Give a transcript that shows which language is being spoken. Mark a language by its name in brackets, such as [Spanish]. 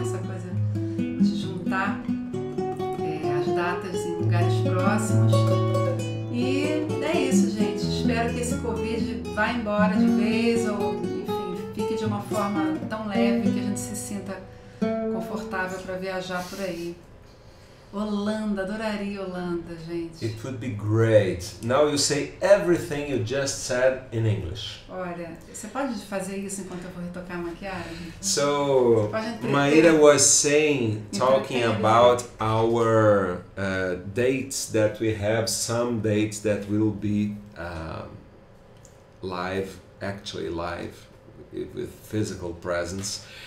[Portuguese] Essa coisa de juntar as datas em lugares próximos. E é isso, gente. Espero que esse Covid vá embora de vez ou, enfim, fique de uma forma tão leve que a gente se sinta confortável para viajar por aí. Holanda, adoraria Holanda, gente. [English] It would be great. Now you say everything you just said in English. [Portuguese] Olha, você pode fazer isso enquanto eu vou retocar a maquiagem? [English] So, Maíra was saying, talking about our dates that we have, some dates that will be live, actually live, with physical presence.